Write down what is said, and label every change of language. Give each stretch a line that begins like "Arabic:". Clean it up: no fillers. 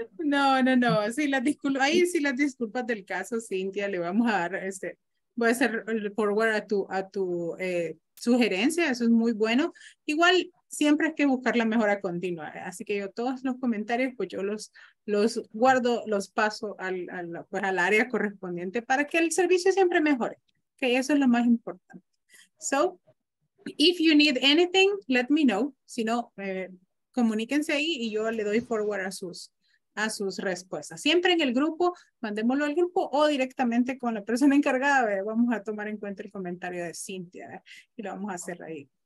Spanish: No, sí, las disculpas del caso, Cintia, le vamos a dar voy a hacer el forward a tu sugerencia, eso es muy bueno, igual siempre hay que buscar la mejora continua, así que yo todos los comentarios pues yo los guardo, los paso al área correspondiente para que el servicio siempre mejore, que okay, eso es lo más importante.
English: So, if you need anything, let me know.
Spanish: Si no, comuníquense ahí y yo le doy forward a sus respuestas. Siempre en el grupo, mandémoslo al grupo o directamente con la persona encargada. Vamos a tomar en cuenta el comentario de Cintia y lo vamos a hacer ahí.